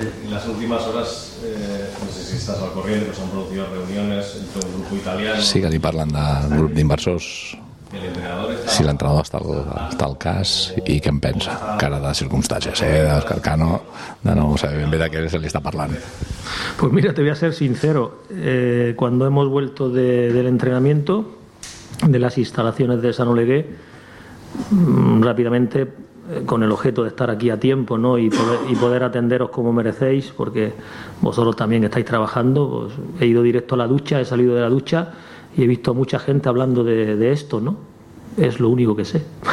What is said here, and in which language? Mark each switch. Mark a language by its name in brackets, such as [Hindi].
[Spanish] Las últimas horas, no sé si estás al corriente, pues han producido reuniones entre un grupo italiano. [Catalan] Sí, que li parlen del grup d'inversors. Si l'entrenador està al cas i què en pensa, cara de circumstàncies, d'Òscar Cano, de no saber ben bé de què se li està parlant. [Spanish] Pues mira, te voy a ser sincero, cuando hemos vuelto del entrenamiento, de las instalaciones de San Olegué, rápidamente, con el objeto de estar aquí a tiempo, ¿no?, y poder atenderos como merecéis, porque vosotros también estáis trabajando, pues he ido directo a la ducha, he salido de la ducha y he visto a mucha gente hablando de esto, ¿no? Es lo único que sé.